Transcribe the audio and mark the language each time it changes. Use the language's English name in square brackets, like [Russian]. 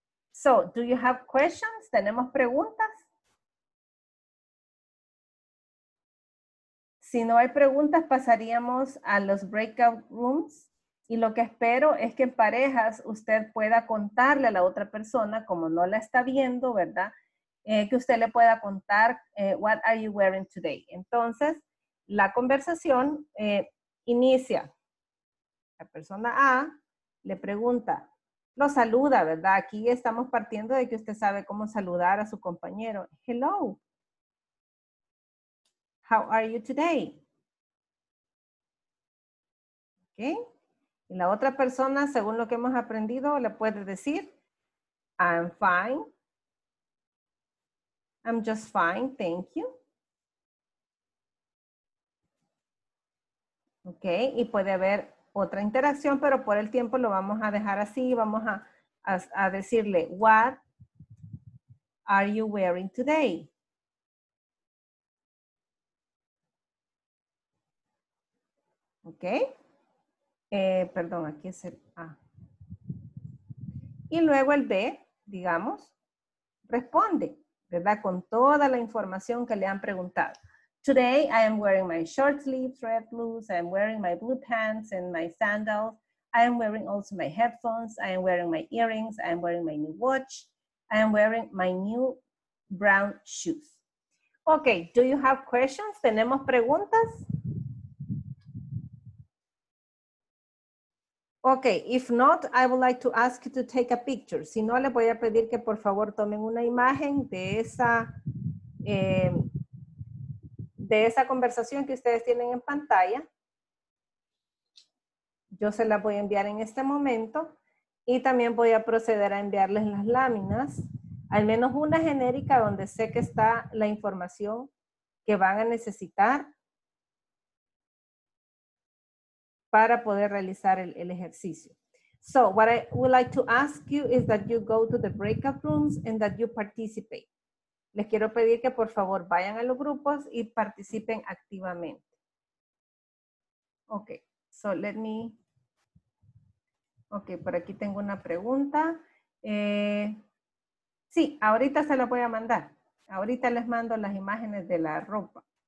[English] So, do you have questions? [Spanish] ¿Tenemos preguntas? Si no hay preguntas, pasaríamos a los breakout rooms. Y lo que espero es que en parejas usted pueda contarle a la otra persona, como no la está viendo, ¿verdad? Que usted le pueda contar, [English] what are you wearing today? [Spanish] Entonces, la conversación inicia. La persona A le pregunta, lo saluda, ¿verdad? Aquí estamos partiendo de que usted sabe cómo saludar a su compañero. [English] Hello. How are you today? [Spanish] Okay. Y la otra persona, según lo que hemos aprendido, le puede decir, [English] I'm fine. I'm just fine, thank you. Okay. [Spanish] Y puede haber otra interacción, pero por el tiempo lo vamos a dejar así. Vamos a decirle, [English] what are you wearing today? [Spanish] Ok, perdón, aquí es el A. Y luego el B, digamos, responde, ¿verdad? Con toda la información que le han preguntado. [English] Today I am wearing my short sleeves, red blues. I am wearing my blue pants and my sandals. I am wearing also my headphones. I am wearing my earrings. I am wearing my new watch. I am wearing my new brown shoes. Ok, do you have questions? [Spanish] ¿Tenemos preguntas? [English] Okay, if not, I would like to ask you to take a picture. [Spanish] Si no, le voy a pedir que por favor tomen una imagen de esa conversación que ustedes tienen en pantalla. Yo se la voy a enviar en este momento y también voy a proceder a enviarles las láminas, al menos una genérica donde sé que está la información que van a necesitar para poder realizar el ejercicio. [English] So, what I would like to ask you is that you go to the breakout rooms and that you participate. [Spanish] Les quiero pedir que por favor vayan a los grupos y participen activamente. [English] Okay, so let me... [Spanish] Okay, por aquí tengo una pregunta. Sí, ahorita se la voy a mandar. Ahorita les mando las imágenes de la ropa.